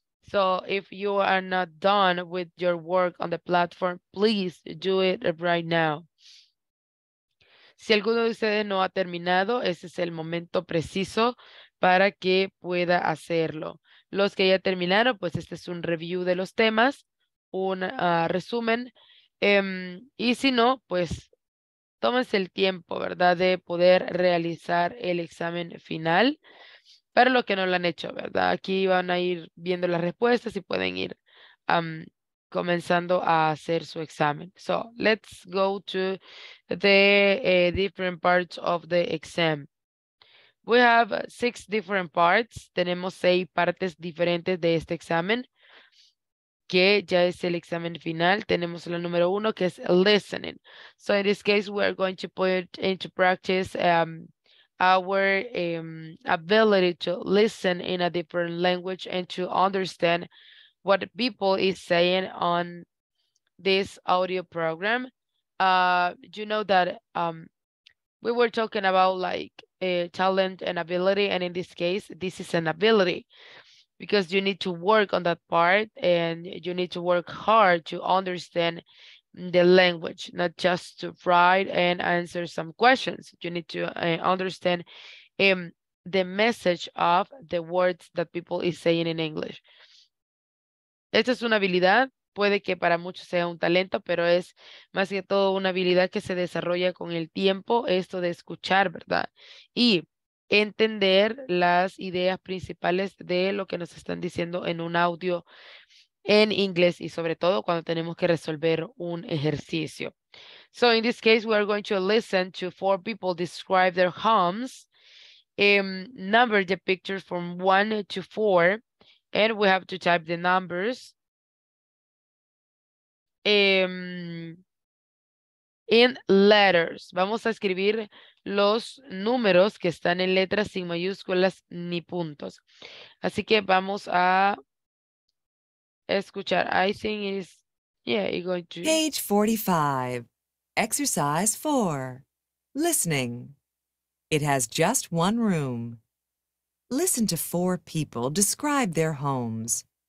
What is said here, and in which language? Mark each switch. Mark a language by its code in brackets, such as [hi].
[en] So if you are not done with your work on the platform, please do it right now. [es] Si alguno de ustedes no ha terminado, ese es el momento preciso para que pueda hacerlo. Los que ya terminaron, pues este es un review de los temas, un resumen. Y si no, pues tómense el tiempo, ¿verdad?, de poder realizar el examen final. Para los que no lo han hecho, ¿verdad? Aquí van a ir viendo las respuestas y pueden ir comenzando a hacer su examen. [en] So, let's go to the different parts of the exam. We have six different parts. [es] Tenemos seis partes diferentes de este examen, que ya es el examen final. Tenemos la número uno, que es listening. [en] So, in this case, we are going to put into practice our ability to listen in a different language and to understand what people is saying on this audio program. You know that we were talking about like a talent and ability, and in this case, this is an ability, because you need to work on that part and you need to work hard to understand the language, not just to write and answer some questions. You need to understand the message of the words that people is saying in English. [es] Esta es una habilidad, puede que para muchos sea un talento, pero es más que todo una habilidad que se desarrolla con el tiempo, esto de escuchar, ¿verdad? Y entender las ideas principales de lo que nos están diciendo en un audio en inglés, y sobre todo cuando tenemos que resolver un ejercicio. [en] So in this case, we are going to listen to four people describe their homes, number the pictures from 1 to 4, and we have to type the numbers in letters. [es] Vamos a escribir los números que están en letras sin mayúsculas ni puntos. Así que vamos a escuchar. [en] I think it is, yeah, you're going to. Page 45, exercise 4, listening. It has just one room. Listen to four people describe their homes.